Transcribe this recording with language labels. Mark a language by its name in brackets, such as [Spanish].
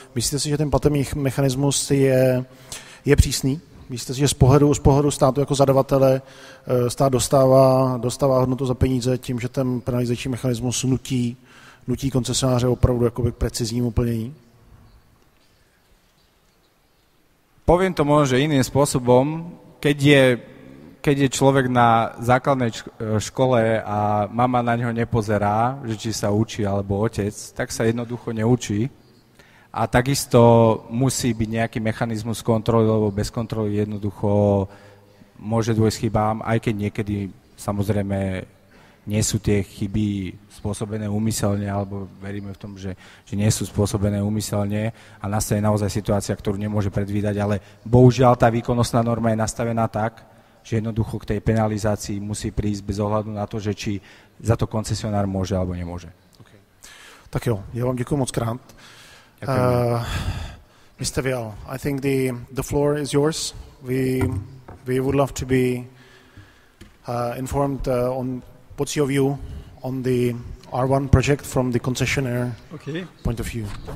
[Czech] Myslíte si, že ten platební mechanismus je přísný? Myslíte si, že z pohledu státu ako zadavatele stát dostává hodnotu za peníze tím, že ten penalizační mechanismus nutí koncesionáře opravdu jakoby k preciznímu plnění? [Slovak] Poviem to možno, že iným spôsobom, keď je človek na základnej škole a mama na neho nepozerá, že či sa učí alebo otec, tak sa jednoducho neučí. A takisto musí byť nejaký mechanizmus kontroly, lebo bez kontroly jednoducho môže dôjsť chybám, aj keď niekedy samozrejme nie sú tie chyby spôsobené úmyselne, alebo veríme v tom, že nie sú spôsobené úmyselne a nastane naozaj situácia, ktorú nemôže predvídať, ale bohužiaľ tá výkonnostná norma je nastavená tak, že jednoducho k tej penalizácii musí prísť bez ohľadu na to, že či za to koncesionár môže alebo nemôže. [English] Okay. [Slovak] Tak jo, ja vám ďakujem moc krát. [English] Mr. Vial, I think the floor is yours. We would love to be informed on what's your view on the R1 project from the concessionaire point of view?